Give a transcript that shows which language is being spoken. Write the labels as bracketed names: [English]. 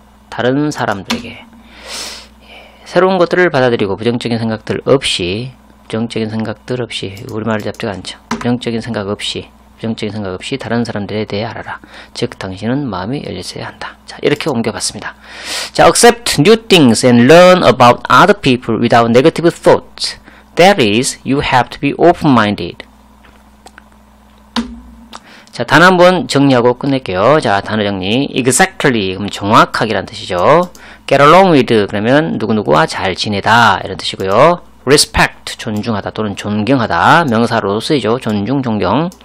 [Korean] 다른 사람들에게. 새로운 것들을 받아들이고 부정적인 생각들 없이 우리말을 잡지가 않죠. 부정적인 생각 없이 다른 사람들에 대해 알아라. 즉 당신은 마음이 열려 있어야 한다. 자, 이렇게 옮겨봤습니다. [English] 자, accept new things and learn about other people without negative thoughts. That is, you have to be open-minded. [Korean] 자, 단 한번 정리하고 끝낼게요. 자, 단어 정리. Exactly, 그럼 정확하게란 뜻이죠. [English] Get along with, [Korean] 그러면 누구누구와 잘 지내다, 이런 뜻이고요. Respect, 존중하다 또는 존경하다, 명사로 쓰이죠. 존중, 존경.